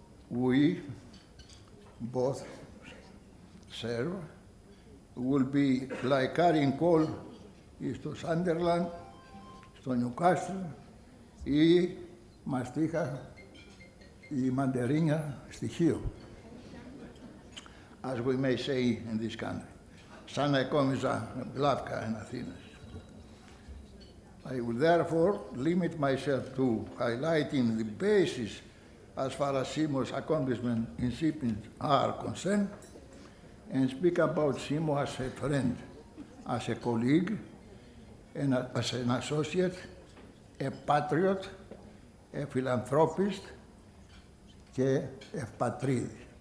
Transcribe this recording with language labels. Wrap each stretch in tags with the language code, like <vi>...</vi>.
<en>we both serve, will be like carrying coal into Sunderland, to Newcastle,</en> <el>ή μαστίχα ή μαντερίνια στη Χίο,</el> <en>as we may say in this country.</en> <el>Σαν να εκόμιζα Γλάφκα εν Αθήνας.</el> <en>I will therefore limit myself to highlighting the basis as far as Simo's accomplishment in shipping are concerned, and speak about Simo as a friend, as a colleague, and as an associate, a patriot, a philanthropist, και a patride.</en>